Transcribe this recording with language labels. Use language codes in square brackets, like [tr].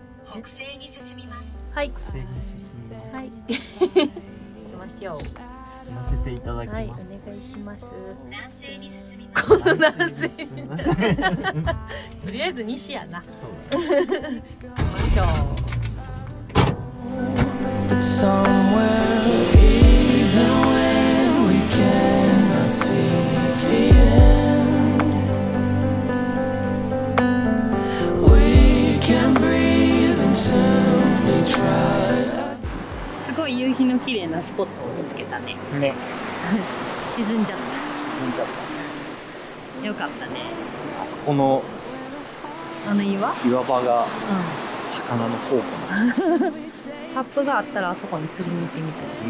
[ja] 北西に進みます、はい、北西に進みます、はい、行きましょう、進ませていただきます、はい、お願いします、南西に進みます、この男性すみませんとりあえず西やな。そうだ、ね、行きましょう。 [en] But somewhere, even when we cannot see the end, we can breathe and simply try. [ja] すごい夕日の綺麗なスポットを見つけたね。ね。沈んじゃった。沈んじゃった。よかったね。あそこの、あの岩？岩場が、魚の宝庫なんサップがあったらあそこに釣りに行ってみそう。